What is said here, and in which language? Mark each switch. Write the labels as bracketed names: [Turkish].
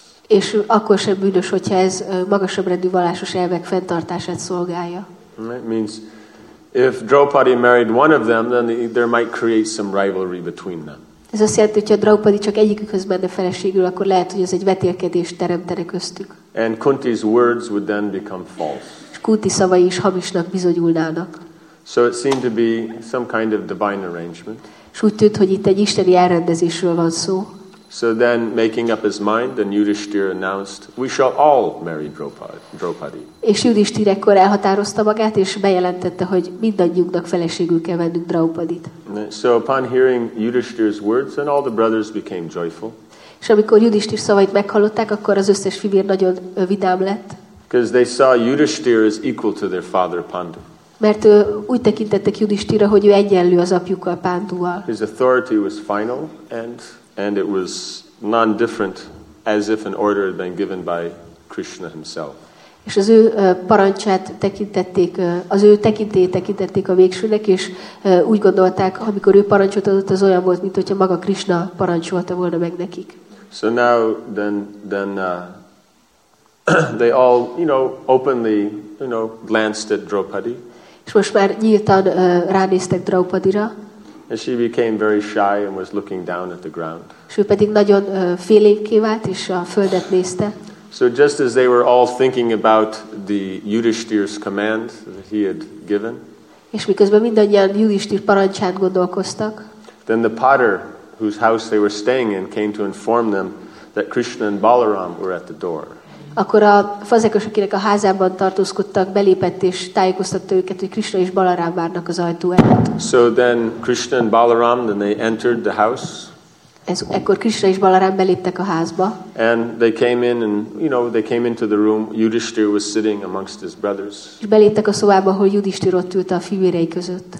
[Hungarian] És akkor sem bűnös, hogyha ez magasabb rendű vallásos elvek fenntartását szolgálja. [English] It means if Draupadi married one of them, then there might create some rivalry between them. [Hungarian] Ez azt jelenti, hogy ha Draupadi csak egyikükhöz menne feleségül, akkor lehet, hogy ez egy vetélkedést teremtene köztük. [English] And Kunti's words would then become false. [Hungarian] És Kunti szavai is hamisnak bizonyulnának. [English] So it seemed to be some kind of divine arrangement. [Hungarian] S úgy tűnt, hogy itt egy isteni elrendezésről van szó. [English] So then, making up his mind, then Yudhishthira announced, "We shall all marry Draupadi." [Hungarian] És Yudhishthira ekkor elhatározta magát, és bejelentette, hogy mindannyiunknak feleségül kell vennünk Draupadit. [English] So upon hearing Yudhishthira's words, then all the brothers became joyful. [Hungarian] És amikor Yudhishthira szavait meghallották, akkor az összes fivér nagyon vidám lett. [English] Because they saw Yudhishthira as equal to their father Pandu. [Hungarian] Mert úgy tekintettek Yudhishthira, hogy ő egyenlő az apjukkal Pánduval. [English] His authority was final and it was non-different, as if an order had been given by Krishna himself. [Hungarian] És az ő parancsát tekintették, az ő tekintélyét tekintették a végsőnek, és úgy gondolták, amikor ő parancsot adott, az olyan volt, mint hogyha maga Krishna parancsolta volna meg nekik. [English] So now then they all, you know, openly, you know, glanced at Draupadi. [Hungarian] És most már nyíltan ránéztek Draupadira. [English] And she became very shy and was looking down at the ground. [Hungarian] S ő pedig nagyon félénké vált, és a földet nézte. [English] So just as they were all thinking about the Yudhishthira's command that he had given. [Hungarian] És miközben mindannyian Yudhishthira parancsát gondolkoztak. [English] Then the potter whose house they were staying in came to inform them that Krishna and Balaram were at the door. [Hungarian] Akkor a fazekas, akinek a házában tartózkodtak, belépett és tájékoztatta őket, hogy Krishna és Balaram várnak az ajtó előtt. [English] So then Krishna and Balaram, then they entered the house. [Hungarian] Ekkor Krishna és Balaram beléptek a házba. [English] And they came in and, you know, they came into the room. Yudhishthira was sitting amongst his brothers. [Hungarian] És beléptek a szobába, ahol Yudhishthira ott ült a fivérei között.